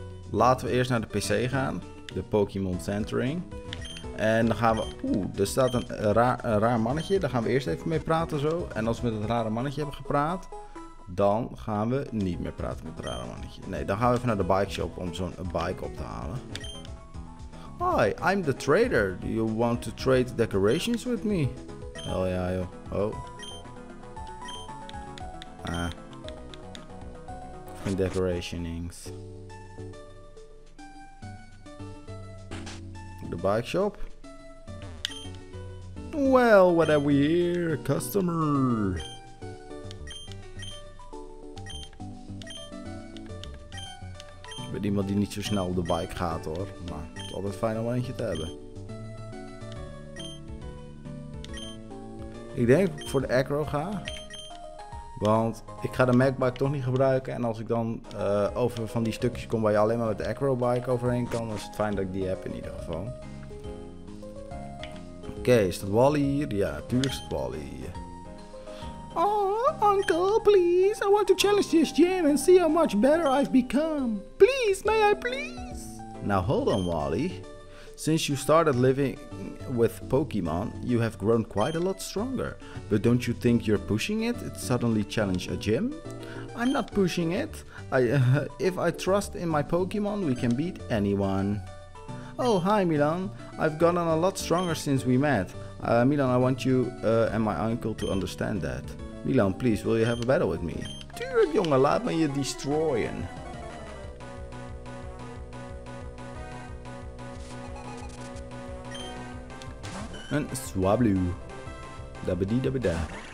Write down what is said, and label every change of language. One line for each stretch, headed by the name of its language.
Dutch: Laten we eerst naar de PC gaan. De Pokémon Centering. En dan gaan we... Oeh, er staat een raar mannetje. Daar gaan we eerst even mee praten zo. En als we met het rare mannetje hebben gepraat, dan gaan we niet meer praten met het rare mannetje. Nee, dan gaan we even naar de bike shop om zo'n bike op te halen.
English: Hi, I'm the trader. Do you want to trade decorations with me?
Dutch: Hell ja, joh. Oh. Geen decorationings. De bike shop.
English: Well, what have we here? Customer.
Dutch: Ik ben iemand die niet zo snel op de bike gaat hoor. Maar het is altijd fijn om eentje te hebben. Ik denk voor de acro ga. Want ik ga de Magbike toch niet gebruiken. En als ik dan over van die stukjes kom waar je alleen maar met de Acrobike overheen kan, dan is het fijn dat ik die heb in ieder geval. Oké, is dat Wally hier? Ja, tuurlijk is het Wally hier.
English: Oh, uncle, please. I want to challenge this gym and see how much better I've become. Please, may I please? Now hold on, Wally. Since you started living with Pokemon, you have grown quite a lot stronger. But don't you think you're pushing it? It suddenly challenged a gym? I'm not pushing it. If I trust in my Pokemon, we can beat anyone. Oh, hi Milan. I've gotten a lot stronger since we met. Milan, I want you and my uncle to understand that. Milan, please, will you have a battle with me?
Dutch: Tuurlijk jongen, laat me je destroyen. Een Swablu. Dabbedi-dabbeda.